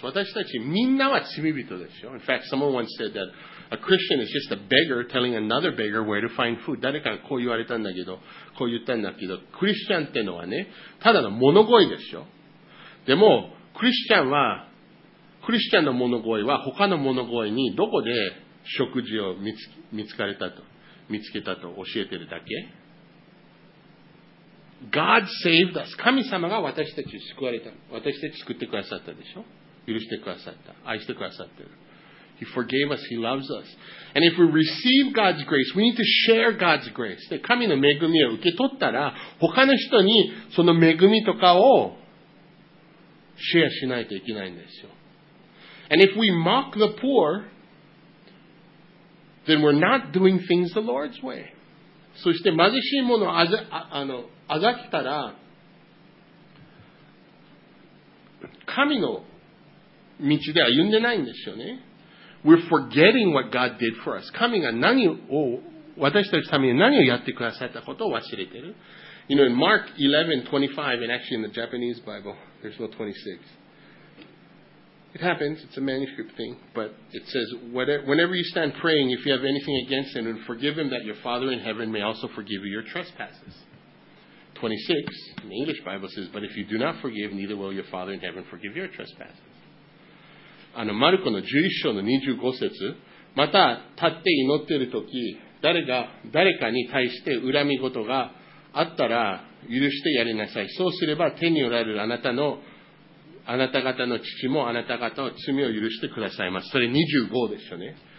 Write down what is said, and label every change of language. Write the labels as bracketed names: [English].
[Japanese] 私たちみんなは罪人ですよ。 [English] In fact, someone once said that a Christian is just a beggar telling another beggar where to find food. [Japanese] 誰かがこう言われたんだけど、こう言ったんだけど、クリスチャンってのはね、ただの物乞いですよ。でも、クリスチャンの物乞いは他の物乞いにどこで食事を見つけたと教えてるだけ。 [English] God saved us. [Japanese] 神様が私たちを救われた。私たちを救ってくださったでしょ。許してくださった。愛してくださってる。 [English] He forgave us. He loves us. And if we receive God's grace, we need to share God's grace. で、 [Japanese] 神の恵みを受け取ったら、他の人にその恵みとかをシェアしないといけないんですよ。 [English] And if we mock the poor,Then we're not doing things the Lord's way. [Japanese] そして貧しいものをあざけたら、神の道で歩んでないんですよね。 [English] We're forgetting what God did for us. [Japanese] 神が何を、私たちのために何をやってくださったことを忘れてる。 [English] You know, in Mark 11:25, and actually in the Japanese Bible, there's no 26. It happens. It's a manuscript thing. But it says, whenever you stand praying, if you have anything against him, and forgive him that your Father in heaven may also forgive you your trespasses. 26, in the English Bible says, but if you do not forgive, neither will your Father in heaven forgive your trespasses. [Japanese] マルコの11章の25節、また立って祈ってる時、誰かに対して恨み事があったら許してやりなさい。そうすれば天におられるあなた方の父もあなた方の罪を許してくださいます。それ25ですよね。